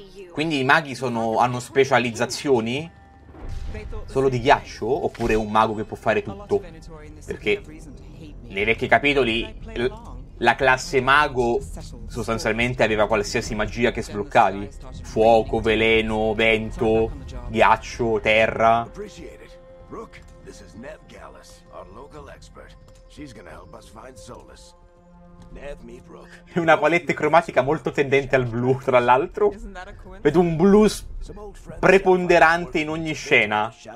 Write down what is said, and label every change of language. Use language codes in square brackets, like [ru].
[it] Quindi i maghi sono, hanno specializzazioni? Solo di ghiaccio? Oppure un mago che può fare tutto? Perché nei vecchi capitoli la classe mago sostanzialmente aveva qualsiasi magia che sbloccavi: fuoco, veleno, vento, ghiaccio, terra. [en] Rook, this is Nev Gallus, our local expert. She's gonna help us find Solas. Nev, meet Rook. [it] È una palette cromatica molto tendente al blu, tra l'altro. Vedo un blu preponderante in ogni scena.